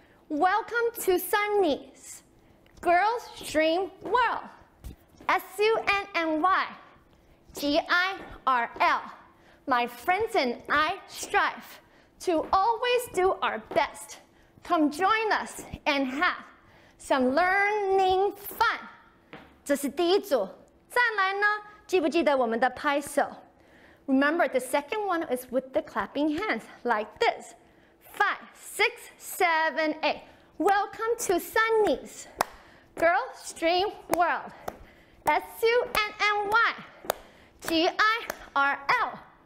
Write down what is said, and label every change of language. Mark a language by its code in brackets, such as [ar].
[en] Welcome to Sunny's. Girls Dream World, S-U-N-N-Y, G-I-R-L. My friends and I strive to always do our best. Come join us and have some learning fun. [zh] 这是第一组。再来呢，记不记得我们的拍手？ [en] Remember, the second one is with the clapping hands, like this. Five, six, seven, eight. Welcome to Sunny's. Girls Dream World, S-U-N-N-Y, G-I-R-L.